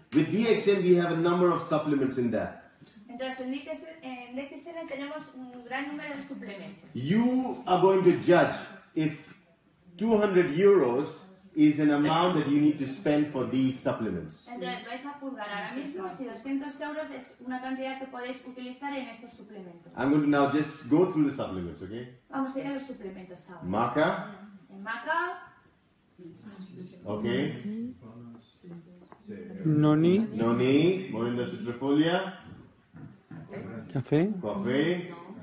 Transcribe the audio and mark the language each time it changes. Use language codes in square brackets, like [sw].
[en] With DXN we have a number of supplements in that. [es] Entonces en DXN tenemos un gran número de suplementos. [en] You are going to judge if 200 euros is an amount that you need to spend for these supplements. [es] Entonces vais a juzgar ahora mismo si 200 euros es una cantidad que podéis utilizar en estos suplementos. [en] I'm going to now just go through the supplements, okay? [es] Vamos a ir a los suplementos ahora. [en] Maca. [es] En maca. [en] Okay. Noni. Noni. Morinda citrifolia. Café. [es] Café.